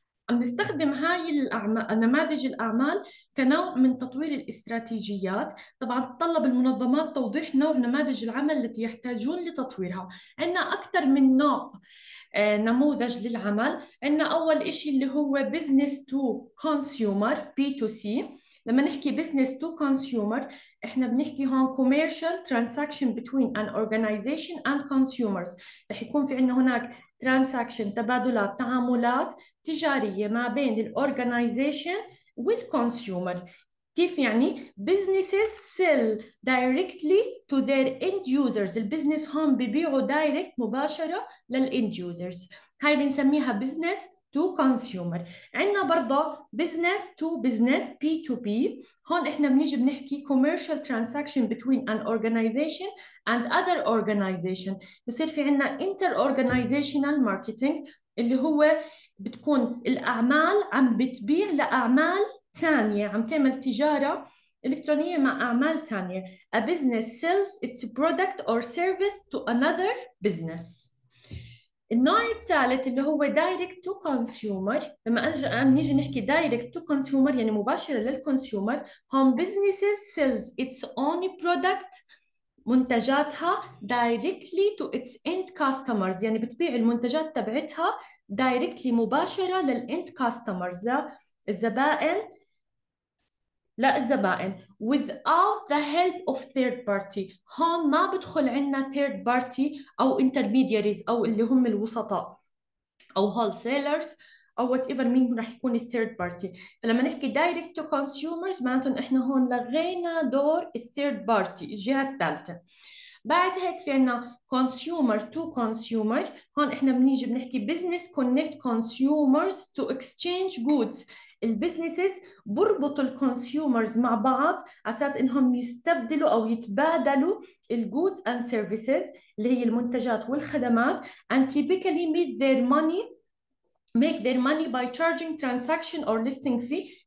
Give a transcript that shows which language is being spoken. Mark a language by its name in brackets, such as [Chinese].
[Arabic] عم نستخدم هاي الاعمال نماذج الاعمال كنوع من تطوير الاستراتيجيات. طبعا تطلب المنظمات توضيح نوع نماذج العمل التي يحتاجون لتطويرها. عندنا اكثر من نوع نموذج للعمل. عندنا اول شيء اللي هو بزنس تو كونسيومر بي تو سي. لما نحكي بزنس تو كونسيومر احنا بنحكي هون [English] commercial transaction between an organization and consumers. [Arabic] رح يكون في عندنا هناك transaction، تبادلات، تعاملات تجارية ما بين ال organization وال consumer. كيف يعني؟ [English] businesses sell directly to their end users. [Arabic] البزنس هون ببيعوا direct مباشرة لل end users، هاي بنسميها business to consumer. عندنا برضه [English] business to business P2P. [Arabic] هون احنا بنيجي بنحكي [English] commercial transaction between an organization and other organization. [Arabic] بصير في عندنا inter-organizational marketing اللي هو بتكون الأعمال عم بتبيع لأعمال ثانية، عم تعمل تجارة إلكترونية مع أعمال ثانية. [English] A business sells its product or service to another business. [Arabic] النوع الثالث اللي هو direct to consumer. لما نيجي نحكي direct to consumer يعني مباشرة للكونسيومر، هون [English] businesses sells its own product، [Arabic] منتجاتها directly to its end customers، يعني بتبيع المنتجات تبعتها directly مباشرة للend customers، للزبائن، لا الزبائن، [English] without the help of third party. [Arabic] هون ما بدخل عندنا third party أو intermediaries أو اللي هم الوسطاء أو wholesalers أو whatever مين راح يكون الثيرد بارتي. فلما نحكي direct to consumers معناته إحنا هون لغينا دور الثيرد بارتي، الجهة الثالثة. بعد هيك في عنا consumer to consumer. هون إحنا بنيجي بنحكي [English] business connect consumers to exchange goods. [Arabic] البزنسز بربطوا الكونسيومرز مع بعض على اساس انهم يستبدلوا او يتبادلوا الجودز اند سيرفيسز اللي هي المنتجات والخدمات. [English] and typically make their money make their money by charging transaction or listing fee.